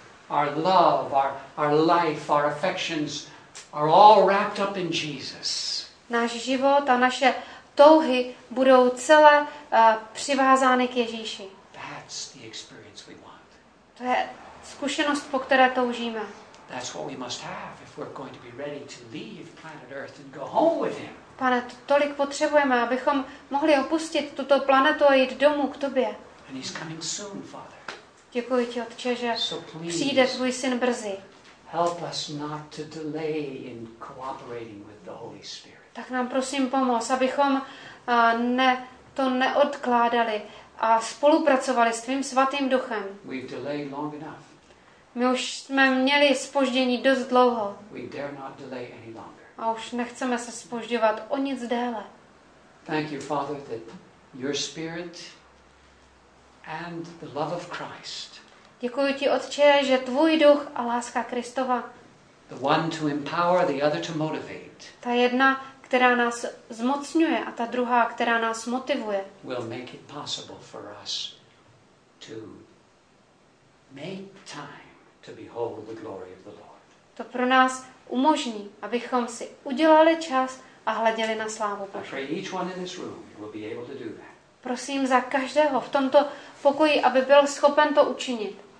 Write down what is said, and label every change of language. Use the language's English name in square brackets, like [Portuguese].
[English] Our love, our life, our affections are all wrapped up in Jesus. [Czech] Náš život a naše touhy budou celé přivázány k Ježíši. [English] That's the experience we want. [Czech] To je zkušenost, po které toužíme. [English] That's what we must have if we're going to be ready to leave planet Earth and go home with him. [Czech] Pane, tolik potřebujeme, abychom mohli opustit tuto planetu a jít domů k tobě. [English] And he's coming soon, Father. [Czech] Děkuji ti, Otče, že [English] so please, [Czech] přijde tvůj syn brzy. [English] Help us not to delay in cooperating with the Holy Spirit. [Czech] Tak nám prosím pomoz, abychom to neodkládali a spolupracovali s tvým svatým duchem. [English] We've delayed long enough. [Czech] My už jsme měli zpoždění dost dlouho. [English] We dare not delay any longer. [Czech] A už nechceme se zpožďovat o nic déle. [English] Thank you, Father, that your Spirit and the love of Christ. [Czech] Děkuji ti, Otče, že tvůj duch a láska Kristova. [English] The one to empower, the other to motivate. [Czech] Ta jedna, která nás zmocňuje, a ta druhá, která nás motivuje. [English] Will make it possible for us to make time to behold the glory of the Lord. [Czech] To pro nás umožní, abychom si udělali čas a hleděli na slávu Boží. [English] I pray each one in this room will be able to do that. [Czech] Prosím za každého v tomto pokoji, aby byl schopen to učinit.